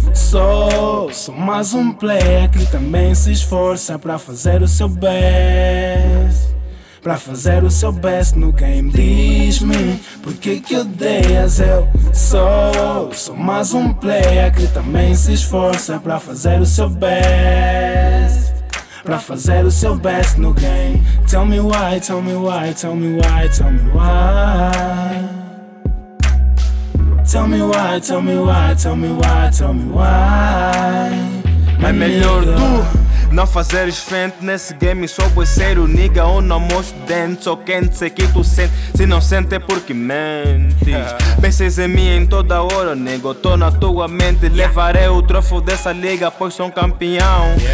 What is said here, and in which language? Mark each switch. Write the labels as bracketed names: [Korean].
[Portuguese] Sou mais um player que também se esforça pra fazer o seu best. Pra fazer o seu best no game. Diz-me, por que que odeias eu? Sou mais um player que também se esforça pra fazer o seu best. Pra fazer o seu best no game. [English] Tell me why, tell me why, tell me why, tell me why. Tell me why, tell me why, tell me why, tell me why. [Portuguese] Mas melhor tu não fazeres frente nesse game. Só vou ser o nigga ou não mostro dentes. Só quente sei que tu sente. Se não sente é porque mentes. Penses em mim em toda hora, nego. Tô na tua mente. Levarei o troféu dessa liga, pois sou um campeão.